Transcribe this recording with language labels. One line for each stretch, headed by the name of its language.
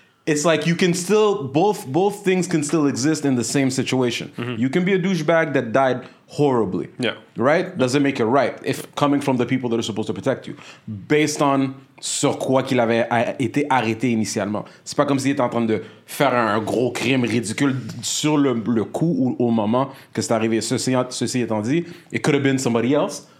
English: It's like you can still, both things can still exist in the same situation. Mm-hmm. You can be a douchebag that died horribly. Yeah. Right? Doesn't make it right. If coming from the people that are supposed to protect you. Based on
French: sur quoi qu'il avait été arrêté initialement. C'est pas comme s'il était en train de faire un gros crime ridicule sur le coup ou au moment que c'est arrivé. Ceci étant dit,
English: it could have been somebody else.